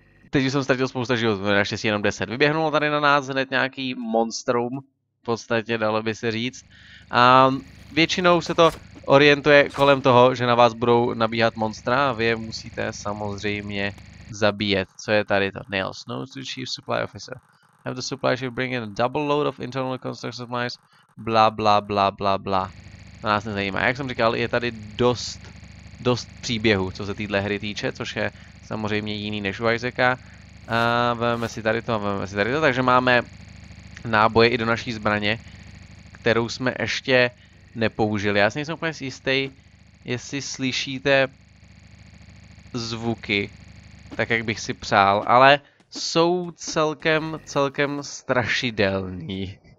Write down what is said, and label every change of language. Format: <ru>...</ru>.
<cs>Teď jsem ztratil spousta životů, naštěstí jenom 10. Vyběhnulo tady na nás hned nějaký monstrum, v podstatě dalo by se říct. A většinou se to orientuje kolem toho, že na vás budou nabíhat monstra a vy je musíte samozřejmě zabíjet. Co je tady to?</cs> <en>Nails, no to chief supply officer. Have the supply ship bring in a double load of internal construction supplies.</en> <cs>Bla bla bla bla bla. To nás nezajímá. Jak jsem říkal, je tady dost příběhu, co se téhle hry týče, což je samozřejmě jiný než u Isaaca. A vezmeme si tady to a vezmeme si tady to, takže máme náboje i do naší zbraně, kterou jsme ještě nepoužili. Já si nejsem úplně jistý, jestli slyšíte zvuky, tak jak bych si přál, ale jsou celkem strašidelní.</cs>